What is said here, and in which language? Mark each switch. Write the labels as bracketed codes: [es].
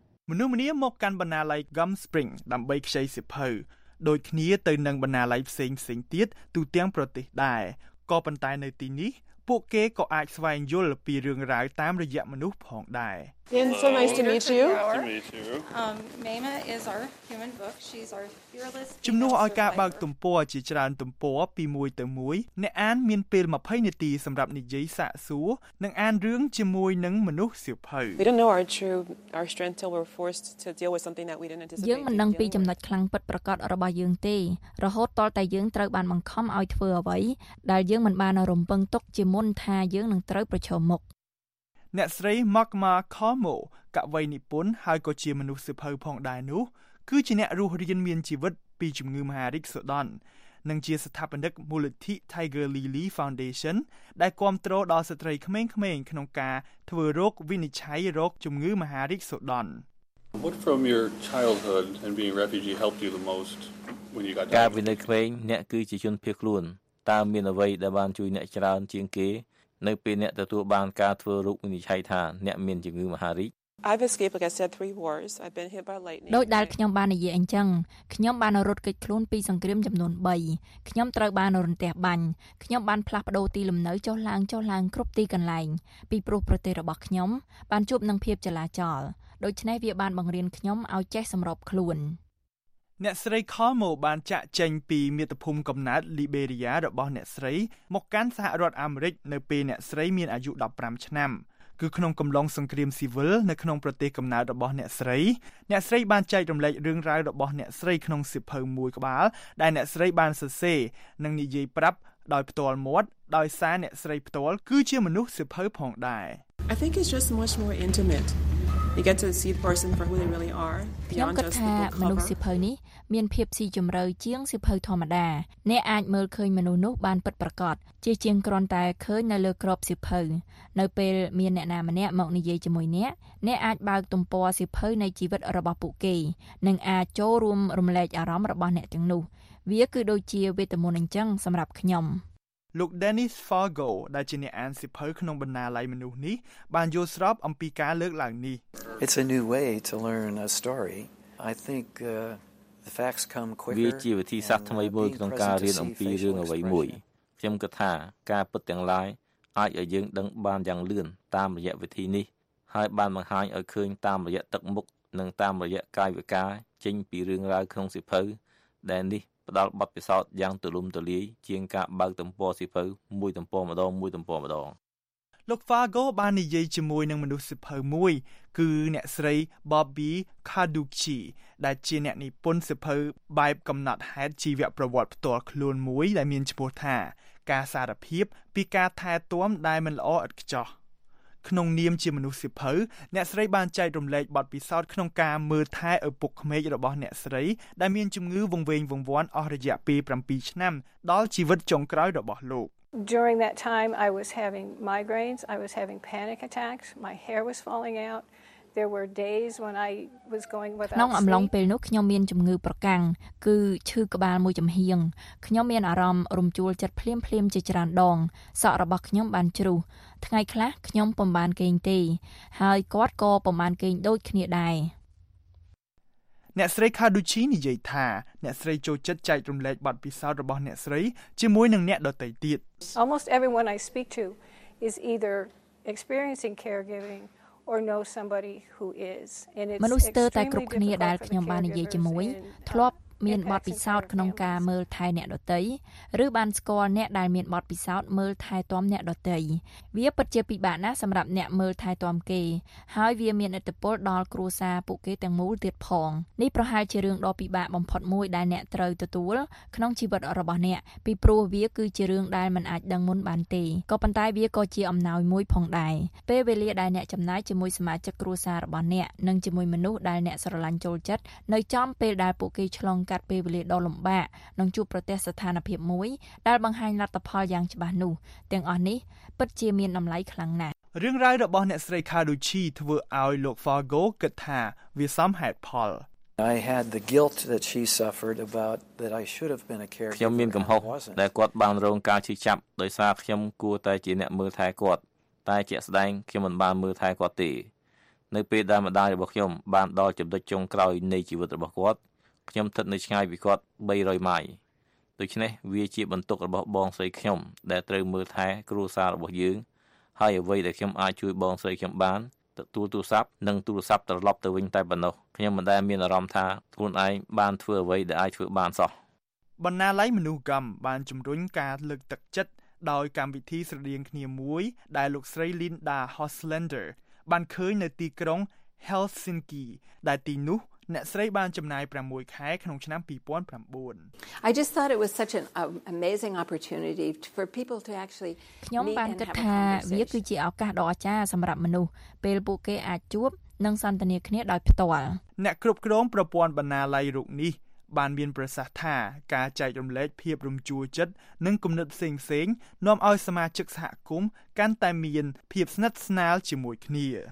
[km] មនុស្សម្នាមកកាន់បណ្ណាល័យ Gum Spring ដើម្បីខ្ចីសៀវភៅដូចគ្នាទៅនឹងបណ្ណាល័យផ្សេងទៀតទូទាំងប្រទេសដែរក៏ប៉ុន្តែនៅទីនេះពួកគេក៏អាចស្វែងយល់ពីរឿងរ៉ាវតាមរយៈមនុស្សផងដែរ [en] Bien, so nice to meet you. Mema is our human book. She's our fearless. [km] ជំនួសឲ្យការបើកទំព័រជាច្រើនទំព័រពីមួយទៅមួយអ្នកអានមានពេល20នាទីសម្រាប់និយាយសាកសួរនិងអានរឿងជាមួយនឹងមនុស្សសៀវភៅ [en] We don't know our true our strength till we're forced to deal with something that we didn't anticipate. [km] យើងមិនដឹងពីចំណុចខ្លាំងពិតប្រាកដរបស់យើងទេរហូតទាល់តែយើងត្រូវបានបង្ខំឲ្យធ្វើអ្វីដែលយើងមិនបានរំពឹងទុកជាមុនថាយើងនឹងត្រូវប្រឈមមុខ អ្នកស្រី Magma Kamo កវីនិពន្ធហើយក៏ជាមនុស្សសិភៅផងដែរនោះគឺជាអ្នករស់រានមានជីវិតពីជំងឺមហារីកសូដន់និងជាស្ថាបនិកមូលនិធិ Tiger Lily Foundation ដែលគាំទ្រដល់ស្ត្រីក្មេងៗ ក្នុងការធ្វើរោគវិនិច្ឆ័យរោគជំងឺមហារីកសូដន់ [en] What from your childhood and being a refugee helped you the most when you got [km] ការវិនិច្ឆ័យក្មេងអ្នកគឺជាជនភៀសខ្លួនតើមានអ្វីដែលបានជួយអ្នកច្រើនជាងគេនៅពេលអ្នកទទួលបានការធ្វើរោគវិនិច្ឆ័យថាអ្នកមានជំងឺមហារីក [en] I've escaped, like I said, 3 wars. I've been hit by lightning. [km] ដោយដែលខ្ញុំបាននិយាយអញ្ចឹងខ្ញុំបានរត់គេចខ្លួនពីសង្គ្រាមចំនួន3ខ្ញុំត្រូវបានរន្ទះបាញ់ខ្ញុំបានផ្លាស់ប្ដូរទីលំនៅចុះឡើងគ្រប់ទីកន្លែងពីព្រោះប្រទេសរបស់ខ្ញុំបានជួបនឹងភាពចលាចលដូច្នេះវាបានបង្រៀនខ្ញុំឲ្យចេះសម្របខ្លួន អ្នកស្រីខមូបានចាក់ចេញពីមាតុភូមិកំណើតលីបេរីយ៉ារបស់អ្នកស្រីមកកាន់សហរដ្ឋអាមេរិកនៅពេលអ្នកស្រីមានអាយុ15ឆ្នាំគឺក្នុងកំឡុងសង្គ្រាមស៊ីវិលនៅក្នុងប្រទេសកំណើតរបស់អ្នកស្រីអ្នកស្រីបានចែករំលែករឿងរ៉ាវរបស់អ្នកស្រីក្នុងសៀវភៅមួយក្បាលដែលអ្នកស្រីបានសរសេរនិងនិយាយប្រាប់ដោយផ្ទាល់មាត់ដោយសារអ្នកស្រីផ្ទាល់គឺជាមនុស្សសៀវភៅផងដែរ [en] I think it's just much more intimate you get to see the person for who they really are beyond just the book cover [km] មនុស្សសៀវភៅនេះមានភាពស៊ីជម្រៅជាងសៀវភៅធម្មតាអ្នកអាចមើលឃើញមនុស្សនោះបានពិតប្រាកដជាជាងគ្រាន់តែឃើញនៅលើក្របសៀវភៅនៅពេលមានអ្នកណាម្នាក់មកនិយាយជាមួយអ្នកអាចបើកទំព័រសៀវភៅនៃជីវិតរបស់ពួកគេនិងអាចចូលរួមរំលែកអារម្មណ៍របស់អ្នកទាំងនោះវាគឺដូចជាវេទមន្តអញ្ចឹងសម្រាប់ខ្ញុំ លោក Dennis Fargo ដែលជាអ្នកអានសៀវភៅក្នុងបណ្ណាល័យមនុស្សនេះបានយល់ស្របអំពីការលើកឡើងនេះ [en] It's a new way to learn a story I think the facts come quicker [km] វាជាវិធីសាស្ត្រថ្មីមួយក្នុងការរៀនអំពីរឿងអ្វីមួយខ្ញុំគិតថាការពិតទាំងឡាយអាចឲ្យយើងដឹងបានយ៉ាងលឿនតាមរយៈវិធីនេះហើយបានបង្ហាញឲ្យឃើញតាមរយៈទឹកមុខនិងតាមរយៈកាយវិការចេញពីរឿងរ៉ាវក្នុងសៀវភៅដែលនេះផ្ដល់បទពិសោធន៍យ៉ាងទូលំទូលាយជាងការបើកទំព័រសៀវភៅមួយទំព័រម្ដងមួយទំព័រម្ដង លោក Fargo បាននិយាយជាមួយនឹងមនុស្សសៀវភៅមួយគឺអ្នកស្រី Bobby Kaduchi ដែលជាអ្នកនិពន្ធសៀវភៅបែបកំណត់ហេតុជីវប្រវត្តិផ្ទាល់ខ្លួនមួយដែលមានឈ្មោះថាការសារភាពពីការថែទាំដែលមិនល្អឥតខ្ចោះក្នុងនាមជាមនុស្សសៀវភៅអ្នកស្រីបានចែករំលែកបទពិសោធន៍ក្នុងការមើលថែឪពុកក្មេករបស់អ្នកស្រីដែលមានជំងឺវង្វេងវង្វាន់អស់រយៈពេល7ឆ្នាំដល់ជីវិតចុងក្រោយរបស់លោក [en] During that time I was having migraines I was having panic attacks my hair was falling outThere were days when I was going without sleep. [km] ក្នុងអំឡុងពេលនោះខ្ញុំមានជំងឺប្រកាំងគឺឈឺក្បាលមួយចំហៀងខ្ញុំមានអារម្មណ៍រំជួលចិត្តភ្លាមៗជាច្រើនដងសក់របស់ខ្ញុំបានជ្រុះថ្ងៃខ្លះខ្ញុំពុំបានគេងទេហើយគាត់ក៏ពុំបានគេងដូចគ្នាដែរ អ្នកស្រីខាដូជីនិយាយថាអ្នកស្រីចូលចិត្តចែករំលែកបទពិសោធន៍របស់អ្នកស្រីជាមួយនឹងអ្នកដទៃទៀត [en] Almost everyone I speak to is either experiencing caregivingor know somebody who is and it's [km] មនុស្សទៅតែគ្រប់គ្នាដែលខ្ញុំបាននិយាយជាមួយធ្លាប់មានបទពិសោធន៍ក្នុងការមើលថែអ្នកដទៃឬបានស្គាល់អ្នកដែលមានបទពិសោធន៍មើលថែទាំអ្នកដទៃវាពិតជាពិបាកណាស់សម្រាប់អ្នកមើលថែទាំគេ ហើយវាមានឥទ្ធិពលដល់គ្រួសារពួកគេទាំងមូលទៀតផងនេះប្រហែលជារឿងដ៏ពិបាកបំផុតមួយដែលអ្នកត្រូវទទួលក្នុងជីវិតរបស់អ្នកពីព្រោះវាគឺជារឿងដែលមិនអាចដឹងមុនបានទេក៏ប៉ុន្តែវាក៏ជាអំណោយមួយផងដែរពេលវេលាដែលអ្នកចំណាយជាមួយសមាជិកគ្រួសាររបស់អ្នកនិងជាមួយមនុស្សដែលអ្នកស្រឡាញ់ចូលចិត្តនៅចំពេលដែលពួកគេឆ្លងកាត់ពេលវេលាដ៏លំបាកនិងជួបប្រទះស្ថានភាពមួយដែលបង្ហាញលទ្ធផលយ៉ាងច្បាស់នោះទាំងអស់នេះពិតជាមានតម្លៃខ្លាំងណាស់រឿងរ៉ាវរបស់អ្នកស្រីខាដូជីធ្វើឲ្យលោក Fargo គិតថាវាសមហេតុផល [en] I had the guilt that she suffered about that I should have been a caregiver [km] ខ្ញុំមានកំហុសដែលគាត់បានរងការឈឺចាប់ដោយសារខ្ញុំគួរតែជាអ្នកមើលថែគាត់តែជាក់ស្ដែងខ្ញុំមិនបានមើលថែគាត់ទេនៅពេលដែលម្ដាយរបស់ខ្ញុំបានដល់ចំណុចចុងក្រោយនៃជីវិតរបស់គាត់ខ្ញុំស្ថិតនៅឆ្ងាយពីគាត់300ម៉ាយដូច្នេះវាជាបន្ទុករបស់បងស្រីខ្ញុំដែលត្រូវមើលថែគ្រួសាររបស់យើងហើយអ្វីដែលខ្ញុំអាចជួយបងស្រីខ្ញុំបានទទួលទូរស័ព្ទនិងទូរស័ព្ទត្រឡប់ទៅវិញតែប៉ុណ្ណោះខ្ញុំមិនដែលមានអារម្មណ៍ថាខ្លួនឯងបានធ្វើអ្វីដែលអាចធ្វើបានសោះ បណ្ណាល័យមនុស្សកម្មបានជំរុញការលើកទឹកចិត្តដោយកម្មវិធីស្រដៀងគ្នាមួយដែលលោកស្រី Linda Hostlander បានឃើញនៅទីក្រុង Helsinki ដែលទីនោះអ្នកស្រីបានចំណាយ6ខែក្នុងឆ្នាំ2009 [en] I just thought it was such an amazing opportunity for people to actually [km] ខ្ញុំបានគិតថាវាគឺជាឱកាសដ៏អស្ចារ្យសម្រាប់មនុស្សពេលពួកគេអាចជួបនិងសន្ទនាគ្នាដោយផ្ទាល់អ្នកគ្រប់គ្រងប្រព័ន្ធបណ្ណាល័យរូបនេះបានមានប្រសាសន៍ថាការចែករំលែកភាពរំជួលចិត្តនិងគំនិតផ្សេងៗនាំឲ្យសមាជិកសហគមន៍កាន់តែមានភាពស្និទ្ធស្នាលជាមួយគ្នា